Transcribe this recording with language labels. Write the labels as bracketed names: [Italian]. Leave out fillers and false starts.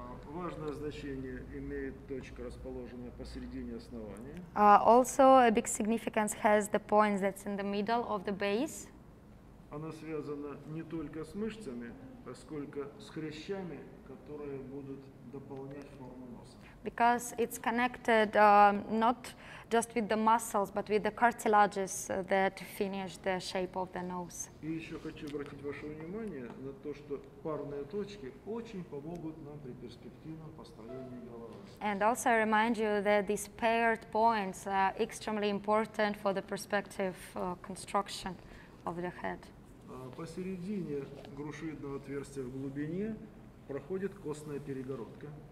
[Russian] Важное значение имеет точка, расположенная посередине основания. [English] Also, a big significance has the points that's in the middle of the base. [Russian] Она связана не только с мышцами, сколько с хрящами, которые будут дополнять форму носа. [English] Because it's connected not just with the muscles, but with the cartilages that finish the shape of the nose. [Russian] И еще хочу обратить ваше внимание на то, что парные точки очень помогут нам при перспективном построении головы. [English] And also I remind you that these paired points are extremely important for the perspective construction of the head. [Russian] Посередине грушевидного отверстия в глубине проходит костная перегородка.